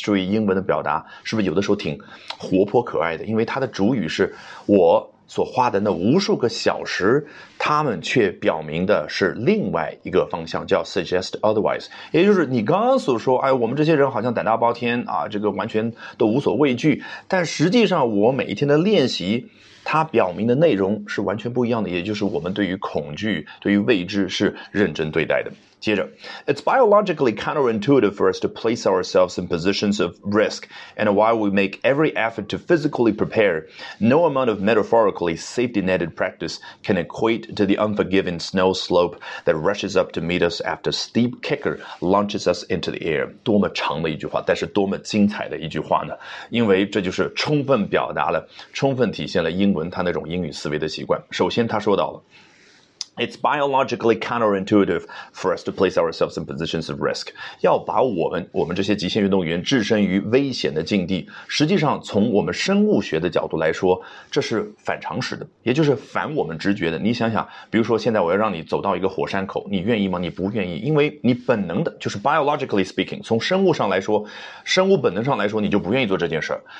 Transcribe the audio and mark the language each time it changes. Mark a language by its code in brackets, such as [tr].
[zh] 注意英文的表达是不是有的时候挺活泼可爱的，因为它的主语是我所花的那无数个小时，他们却表明的是另外一个方向，叫 [en] suggest otherwise。 [zh] 也就是你刚刚所说，哎，我们这些人好像胆大包天啊，这个完全都无所畏惧，但实际上我每一天的练习它表明的内容是完全不一样的，也就是我们对于恐惧、对于未知是认真对待的。 [en] 接着， It's biologically counterintuitive for us to place ourselves in positions of risk, and while we make every effort to physically prepare, no amount of metaphorically safety-netted practice can equate to the unforgiving snow slope that rushes up to meet us after steep kicker launches us into the air。 [zh] 多么长的一句话，但是多么精彩的一句话呢？因为这就是充分表达了，充分体现了英文他那种英语思维的习惯。 [en] 首先他说到了It's biologically counterintuitive for us to place ourselves in positions of risk. [zh] 要把我们这些极限运动员置身于危险的境地，实际上从我们生物学的角度来说，这是反常识的，也就是反我们直觉的。你想想，比如说现在我要让你走到一个火山口，你愿意吗？你不愿意，因为你本能的就是 [en] biologically speaking， [zh] 从生物上来说，生物本能上来说，你就不愿意做这件事。